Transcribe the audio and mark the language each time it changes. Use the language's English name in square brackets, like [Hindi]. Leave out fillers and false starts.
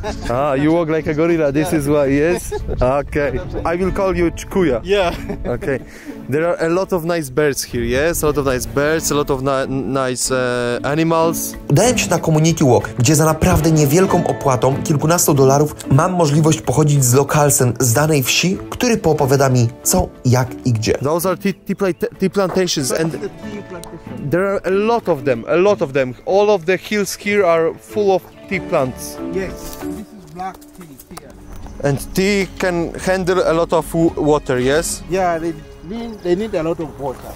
[English] Ah, you walk like a gorilla, this yeah. Is why, yes? Okay, I will call you Chukuya. Yeah. Okay. There are a lot of nice birds here, yes? A lot of nice birds, a lot of nice animals. [Polish] Udałem się na community walk, gdzie za naprawdę niewielką opłatą, kilkunastu dolarów, mam możliwość pochodzić z lokalsem z danej wsi, który poopowiada mi co, jak i gdzie. [English] Those are tea plantations and there are a lot of them. All of the hills here are full of tea plants. Yes, this is black tea here. And tea can handle a lot of water, yes? Yeah, they need a lot of water.